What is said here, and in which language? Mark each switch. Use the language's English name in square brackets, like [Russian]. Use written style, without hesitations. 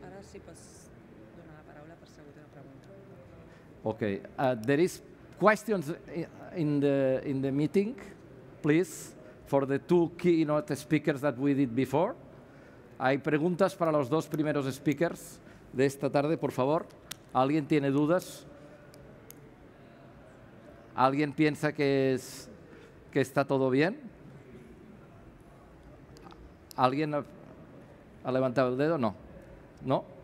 [Spanish] Ahora sí, pues, donar la palabra por si alguna pregunta. OK. [English] There is questions in the meeting, please, for the two keynote speakers that we did before. [Spanish] Hay preguntas para los dos primeros speakers de esta tarde, por favor. ¿Alguien tiene dudas? ¿Alguien piensa que está todo bien? ¿Alguien ha levantado el dedo? No. ¿No?